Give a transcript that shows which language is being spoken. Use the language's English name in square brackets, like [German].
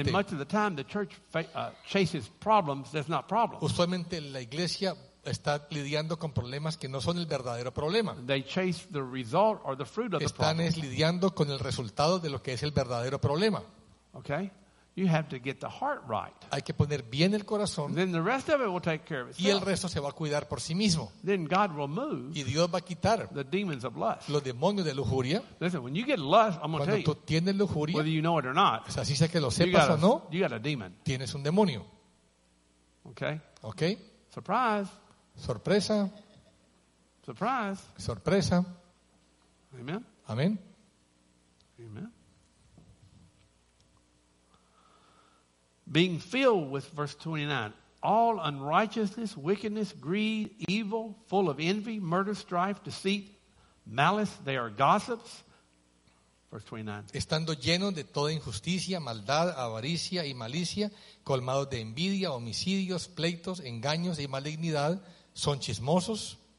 [English] And much of the time, the church chases problems that's not problems. [Spanish] Usualmente la iglesia está lidiando con problemas que no son el verdadero problema. [English] They chase the result or the fruit of the [Spanish] están [English] problem. [Spanish] Están lidiando con el resultado de lo que es el verdadero problema. [English] Okay. You have to get the heart right. [Spanish] Hay que poner bien el corazón. [English] Then the rest of it will take care of itself. [Spanish] Y el resto se va a cuidar por sí mismo. [English] Then God will move. [Spanish] Y Dios va a quitar [English] the demons of lust. [Spanish] Los demonios de lujuria. [English] Listen, when you get lust, I'm going to tell you. [Spanish] Cuando tú tienes lujuria, [English] whether you know it or not, [Spanish] o sea, así sea que lo sepas o no, [English] you got a demon. [Spanish] Tienes un demonio. [English] Okay. [Spanish] Okay. [English] Surprise. [Spanish] Sorpresa. [English] Surprise. [Spanish] Sorpresa. [English] Amen. [Spanish] Amén. [English] Amen. Being filled with, verse 29, all unrighteousness, wickedness, greed, evil, full of envy, murder, strife, deceit, malice, they are gossips. Verse 29. [Spanish] Estando llenos de toda injusticia, maldad, avaricia y malicia, colmados de envidia, homicidios, pleitos, engaños y malignidad, son chismosos.